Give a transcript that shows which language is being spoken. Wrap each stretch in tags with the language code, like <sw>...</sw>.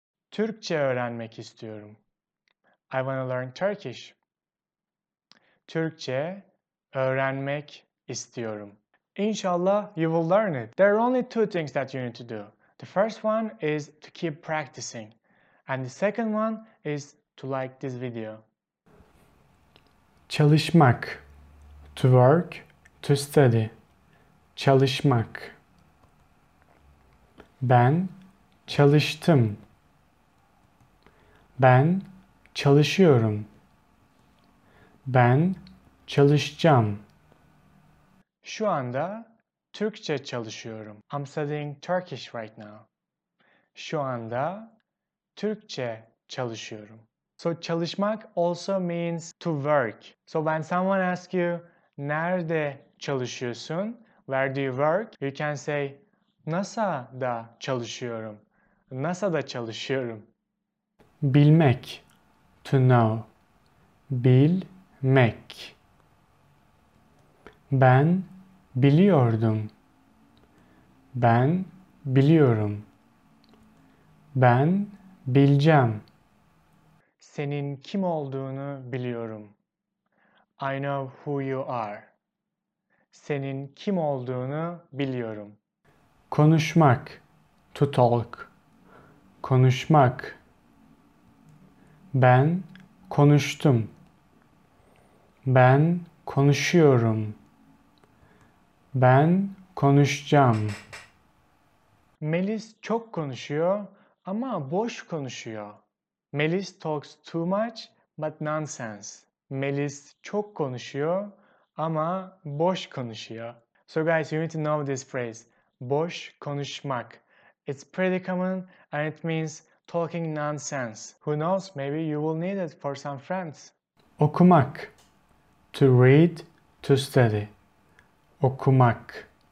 <tr>Türkçe öğrenmek istiyorum.</tr> <en>I want to learn Turkish.</en> <tr>Türkçe öğrenmek istiyorum.</tr> <en>Inshallah, you will learn it. There are only two things that you need to do. The first one is to keep practicing. And the second one is to like this video. Çalışmak. To work, to study. Çalışmak.</en> <tr>Ben çalıştım. Ben çalışıyorum. Ben çalışacağım. Şu anda Türkçe çalışıyorum.</tr> <en>I'm studying Turkish right now.</en> <tr>Şu anda Türkçe çalışıyorum.</tr> <en>So çalışmak also means to work. So when someone asks you,</en> <tr>nerede çalışıyorsun?</tr> <en>Where do you work? You can say,</en> <tr>NASA'da çalışıyorum. NASA'da çalışıyorum.</tr> <en>Bilmek. To know. Bilmek.</en> <tr>Ben biliyordum. Ben biliyorum. Ben bileceğim. Senin kim olduğunu biliyorum.</tr> <en>I know who you are.</en> <tr>Senin kim olduğunu biliyorum.</tr> <en>Konuşmak. To talk. Konuşmak.</en> <tr>Ben konuştum. Ben konuşuyorum. Ben konuşacağım. Melis çok konuşuyor ama boş konuşuyor.</tr> <en>Melis talks too much but nonsense.</en> <tr>Melis çok konuşuyor ama boş konuşuyor.</tr> <en>So guys, you need to know this phrase. Boş konuşmak. It's pretty common and it means talking nonsense. Who knows, maybe you will need it for some friends. Okumak. To read, to study. Okumak.</en>